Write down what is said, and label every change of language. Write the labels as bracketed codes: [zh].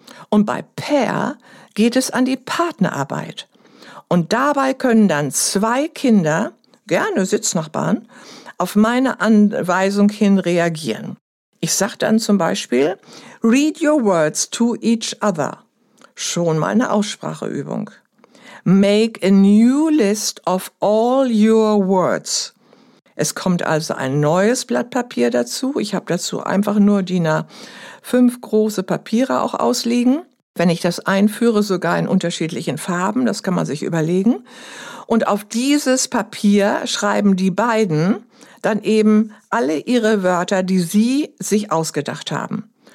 [de] Und bei Pair geht es an die Partnerarbeit. Und dabei können dann 2 Kinder, gerne Sitznachbarn, auf meine Anweisung hin reagieren. Ich sage dann zum Beispiel, [en] read your words to each other. [de] Schon mal eine Ausspracheübung. [en] Make a new list of all your words. [de] Es kommt also ein neues Blatt Papier dazu. Ich habe dazu einfach nur DIN A5 große Papiere auch ausliegen. Wenn ich das einführe, sogar in unterschiedlichen Farben, das kann man sich überlegen. Und auf dieses Papier schreiben die beiden dann eben alle ihre Wörter, die sie sich ausgedacht haben.